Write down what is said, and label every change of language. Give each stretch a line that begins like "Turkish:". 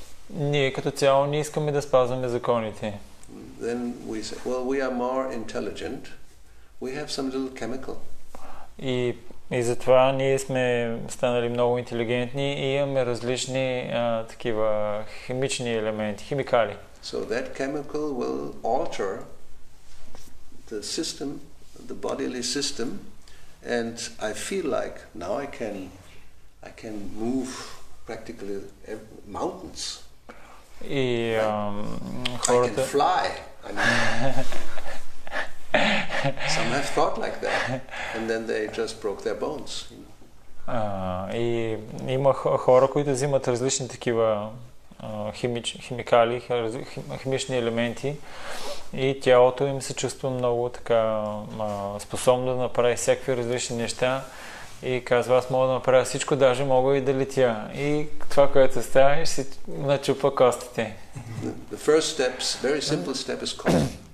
Bulgarian: Ние като цяло не искаме да спазваме законите.
English: Then we say, well, we are more intelligent. We have some little chemical.
Bulgarian: И затова ние сме станали много интелигентни и имаме различни такива химични елементи, химикали.
English: So that chemical will alter the system, the bodily system, and I feel like now I can move practically mountains.
Bulgarian: И хората...
English: I can fly. I mean, some have thought like that, and then they just broke their bones.
Bulgarian: И има хора, които взимат различни такива химикали, химични елементи, и тялото им се чувства много така способно да направи всякакви различни неща, и казва: аз мога да направя всичко, даже мога и да летя. И това, което става, си начупа костите.
English: The first steps, very simple step is called.